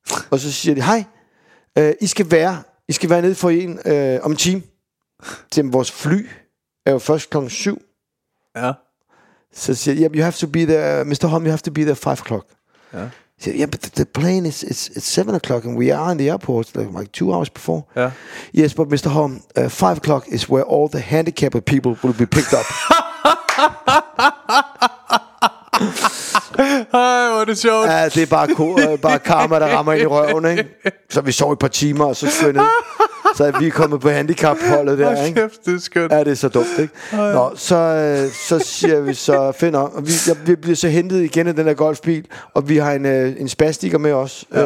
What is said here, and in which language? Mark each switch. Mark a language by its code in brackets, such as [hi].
[da] Og så siger de, hej, I skal være nede for en om en time. Vores fly er jo først klokken 7. Ja. Så siger jeg, [en] you have to be there, Mr. Holm, you have to be there 5 o'clock. [da] Ja. Siger, [en] yeah, but the plane is it's 7 o'clock and we are in the airport like 2 hours before. [da] Ja. [en] Yes, but Mr. Holm, 5 o'clock is where all the handicapped people will be picked up. [da] Ej, hvor er det sjovt. Ja, det er bare karma, der rammer ind i røven, ikke? Så vi sov et par timer, og så skønner vi. Så vi er kommet på handicapholdet der, ikke? Hvor kæft, det er skønt. Ja, det er så dumt, ikke? Ej. Nå, så siger vi så, find om. Vi bliver så hentet igen i den der golfbil, og vi har en spastiker med os, ja.